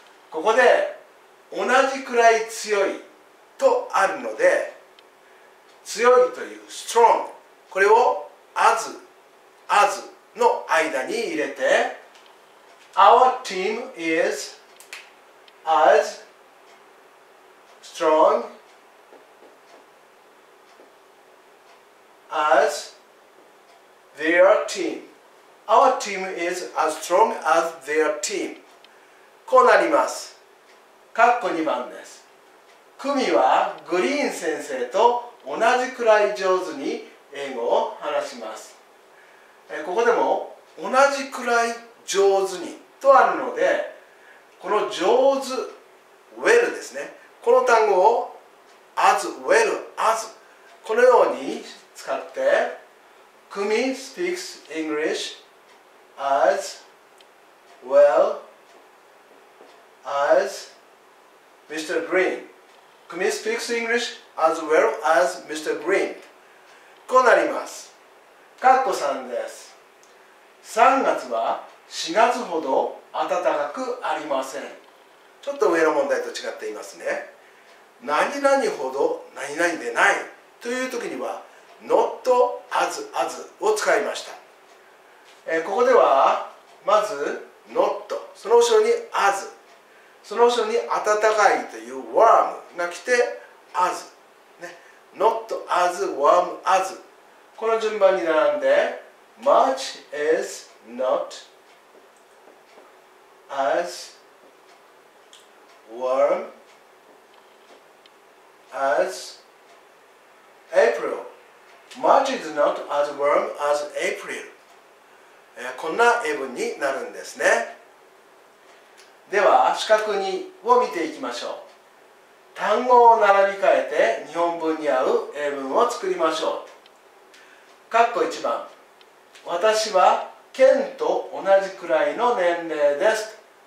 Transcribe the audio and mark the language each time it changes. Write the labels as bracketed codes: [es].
[ja] ここで同じくらい強いとあるので、強いという strong、 これを as as の間に入れて、 [en] our team is as strong as their team。 Our team is as strong as their team。 [ja] こうなります。括弧2番です。クミはグリーン先生と同じくらい上手に英語を話します。ここでも同じくらい上手にとあるので、この上手、 well ですね、この単語を as well as、 このように使って、クミ [en] speaks Englishas well as Mr. Green。 Kumi speaks English as well as Mr. [ja] Green。 こうなります。カッコ3です。 3月は4月ほど暖かくありません。ちょっと上の問題と違っていますね。何々ほど何々でないという時には not as as を使いました。ここではまず not、 その後ろに as、 その後ろに暖かいという warm が来て as、ね、 [en] not as warm as、 [ja] この順番に並んで [en] much is not as warm as April。 much is not as warm as April。 [ja] こんな英文になるんですね。では四角2を見ていきましょう。単語を並び替えて日本文に合う英文を作りましょう。括弧1番、私はケンと同じくらいの年齢です。